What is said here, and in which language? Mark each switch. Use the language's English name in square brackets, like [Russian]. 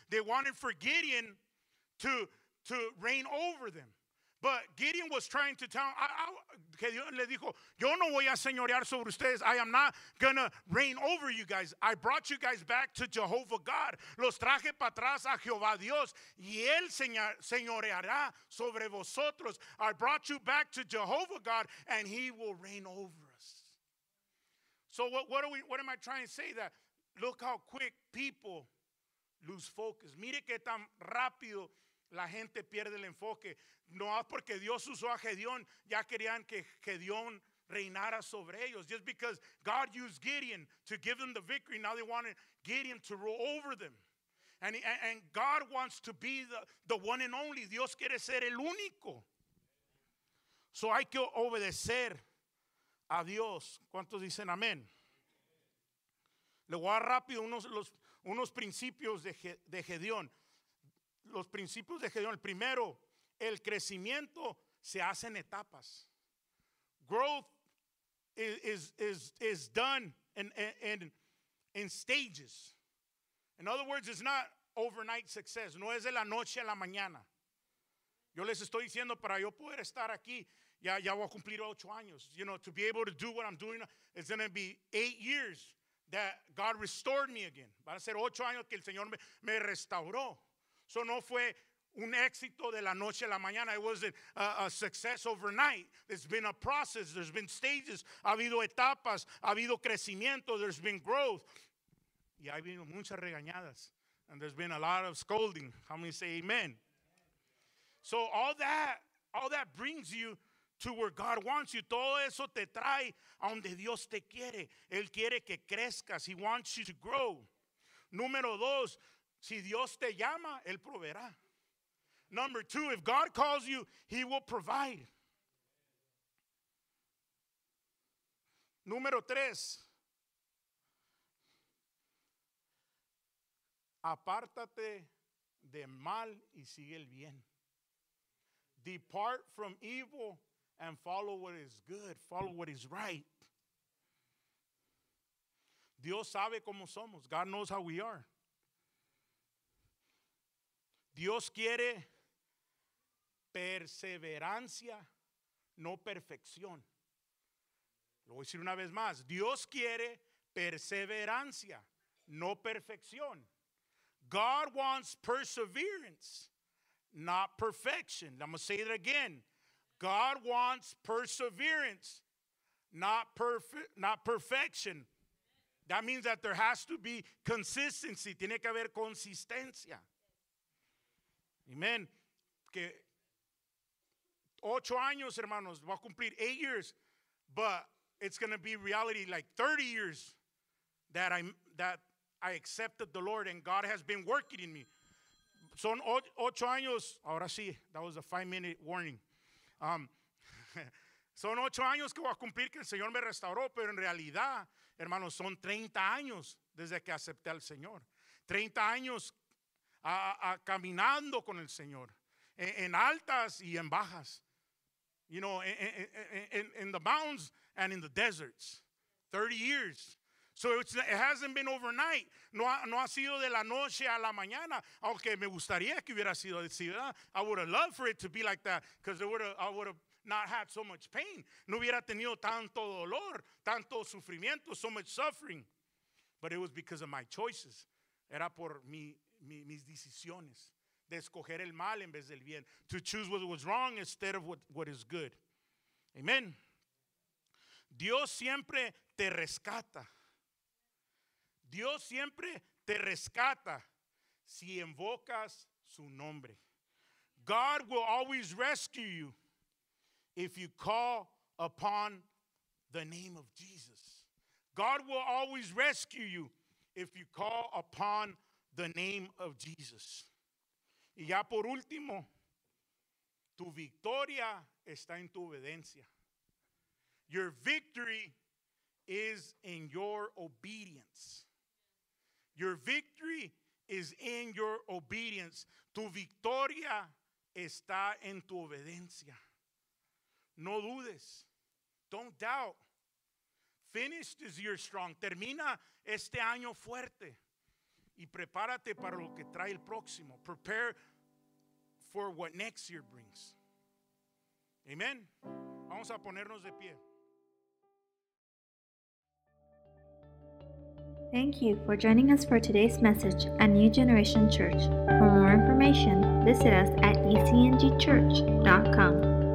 [English] They wanted for Gideon to reign over them. But Gideon was trying to tell, [Spanish] Gedeón le dijo, yo no voy a señorear sobre ustedes. [English] I am not going to reign over you guys. I brought you guys back to Jehovah God. [Spanish] Los traje para atrás a Jehová Dios. Y él señoreará sobre vosotros. [English] I brought you back to Jehovah God and he will reign over us. So what am I trying to say? That look how quick people lose focus. [Spanish] Mire que tan rápido la gente pierde el enfoque. No es porque Dios usó a Gedeón, ya querían que Gedeón reinara sobre ellos. [English] Just because God used Gideon to give them the victory, now they wanted Gideon to rule over them. And God wants to be the one and only. [Spanish] Dios quiere ser el único. So hay que obedecer a Dios. ¿Cuántos dicen amén? Le voy a dar rápido unos principios de Gedeón. Los principios de Gedeón. El primero, el crecimiento se hace en etapas. [English] Growth is done in stages. In other words, it's not overnight success. [Spanish] No es de la noche a la mañana. Yo les estoy diciendo, para yo poder estar aquí, ya voy a cumplir 8 años. [English] You know, to be able to do what I'm doing, it's going to be 8 years that God restored me again. [Spanish] Van a ser 8 años que el Señor me restauró. So no fue un éxito de la noche a la mañana. [English] It wasn't a success overnight. There's been a process. There's been stages. [Spanish] Ha habido etapas. Ha habido crecimiento. [English] There's been growth. [Spanish] Y ha habido muchas regañadas. [English] And there's been a lot of scolding. How many say amen? So all that brings you to where God wants you. [Spanish] Todo eso te trae a donde Dios te quiere. Él quiere que crezcas. [English] He wants you to grow. [Spanish] Número dos. Si Dios te llama, Él proveerá. [English] Number two, if God calls you, He will provide. [Spanish] Número tres, apártate de mal y sigue el bien. [English] Depart from evil and follow what is good, follow what is right. [Spanish] Dios sabe cómo somos. [English] God knows how we are. [Spanish] Dios quiere perseverancia, no perfección. Lo voy a decir una vez más. Dios quiere perseverancia, no perfección. [English] God wants perseverance, not perfection. I'm going to say it again. God wants perseverance, not perfection. That means that there has to be consistency. [Spanish] Tiene que haber consistencia. [English] Amen. [Spanish] Que 8 años, hermanos, va a cumplir [English] 8 years, but it's going to be reality like 30 years that I accepted the Lord and God has been working in me. [Spanish] Son 8 años, ahora sí, [English] that was a 5-minute warning. [Spanish] Son 8 años que voy a cumplir que el Señor me restauró, pero en realidad, hermanos, son 30 años desde que acepté al Señor. 30 años caminando con el Señor, en altas y en bajas. [English] You know, in the mountains and in the deserts. 30 years. So it hasn't been overnight. [Spanish] No ha sido de la noche a la mañana. Aunque me gustaría que hubiera sido así, ¿verdad? [English] I would have loved for it to be like that because I would have not had so much pain. [Spanish] No hubiera tenido tanto dolor, tanto sufrimiento, [English] so much suffering. But it was because of my choices. [Spanish] Era por mis decisiones. De escoger el mal en vez del bien. [English] To choose what was wrong instead of what is good. [Spanish] Amen. Dios siempre te rescata. Dios siempre te rescata si invocas su nombre. [English] God will always rescue you if you call upon the name of Jesus. God will always rescue you if you call upon the name of Jesus. [Spanish] Y ya por último, tu victoria está en tu obediencia. [English] Your victory is in your obedience. Your victory is in your obedience. [Spanish] Tu victoria está en tu obediencia. No dudes. [English] Don't doubt. Finish this year strong. [Spanish] Termina este año fuerte. Y prepárate para lo que trae el próximo. [English] Prepare for what next year brings. [Spanish] Amen. Vamos a ponernos de pie. [English] Thank you for joining us for today's message at New Generation Church. For more information, visit us at ecngchurch.com.